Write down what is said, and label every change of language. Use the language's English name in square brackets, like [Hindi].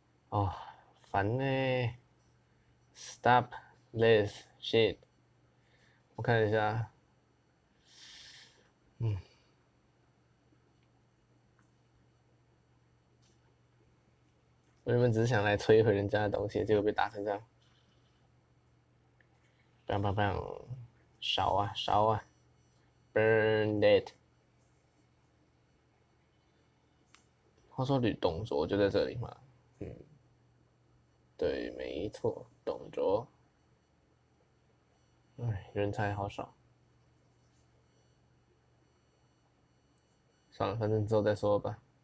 [Chinese] 哦，烦嘞。 [English] Stop this shit！ [Chinese] 我看一下，我原本只是想来摧毁人家的东西，结果被打成这样。 [English] bang bang bang， [Chinese] 烧啊烧啊 [English] ，burn it。 [Chinese] 话说吕董卓就在这里嘛，对，没错，董卓，人才好少，算了，反正之后再说吧。